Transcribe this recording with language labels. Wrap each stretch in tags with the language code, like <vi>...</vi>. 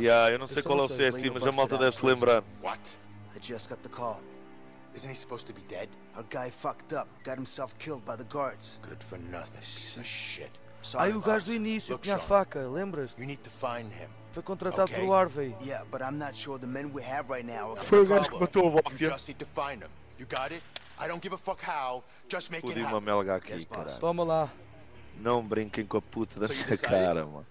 <pt>Yeah, eu não sei qual é o CSI, mas a malta deve se lembrar.</pt> <en>What? I just got the call. Isn't he supposed to be dead? Our guy fucked up, got himself killed by the guards. Good for nothing. Piece of shit.</en> <pt>Aí o gajo do início tinha a faca, lembras?</pt> <en>You need to find him.</en> <pt>Foi contratado pelo Harvey.</pt> <en>Yeah, but I'm not sure the men we have right now.</en> <pt>Foi o gajo que matou o Wolf.</pt> <en>You just need to find him. You got it? I don't give a fuck how, just make pude it happen.</en> <pt>Uma melga aqui, yes, caralho. Toma lá. Não brinquem com a puta da minha cara, mano.</pt>